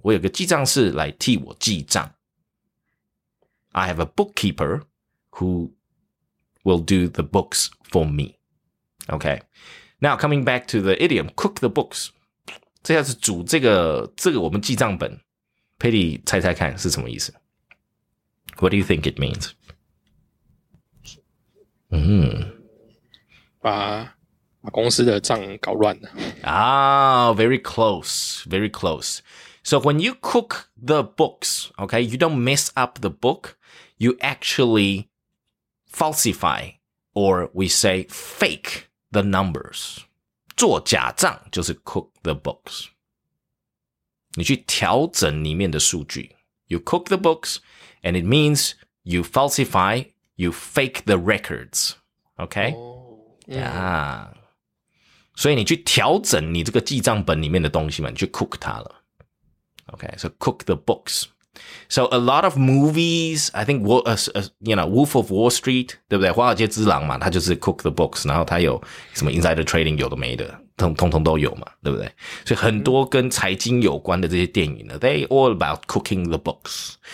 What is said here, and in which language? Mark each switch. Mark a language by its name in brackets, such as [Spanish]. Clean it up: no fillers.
[Chinese] 我有个记账师来替我记账。 [English] I have a bookkeeper who will do the books for me. Okay. Now, coming back to the idiom, cook the books. [Chinese] 这下是煮这个我们记账本。 Patty, 猜猜看是什么意思。 [English] What do you think it means? [Chinese] 把公司的账搞乱了。 [English] Very close. So when you cook the books, okay, you don't mess up the book, you actually falsify, or we say fake the numbers. [Chinese] 做假账就是 cook the books. 你去调整里面的数据。 [English] You cook the books, and it means you falsify, you fake the records. Okay? Oh, yeah. Yeah. [Chinese] 所以你去调整你这个记账本里面的东西嘛，你去 cook 它了。 [English] Okay, so cook the books. So a lot of movies, I think, you know, Wolf of Wall Street, [Chinese] 对不对？华尔街之狼嘛，他就是 cook the books， 然后他有什么 insider trading 有的没的，通通都有嘛，对不对？所以很多跟财经有关的这些电影呢 ， [English] they all about cooking the books。